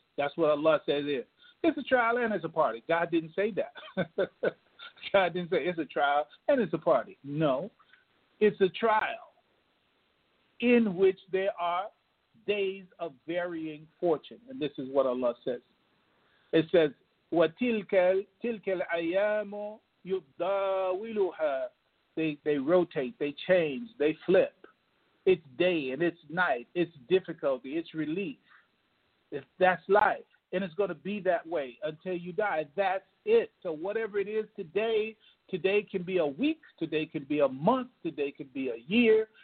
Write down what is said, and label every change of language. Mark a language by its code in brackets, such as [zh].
[en] That's what Allah says it is. It's a trial and it's a party. God didn't say that. God didn't say it's a trial and it's a party. No, it's a trial in which there are days of varying fortune, and this is what Allah says. It says, [ar] وَتِلْكَ الْأَيَامُ يُدَّاوِلُهَا. [en] They rotate, they change, they flip. It's day and it's night, it's difficulty, it's relief. If that's life, and it's going to be that way until you die. That's it. So whatever it is today can be a week, today can be a month, today can be a year.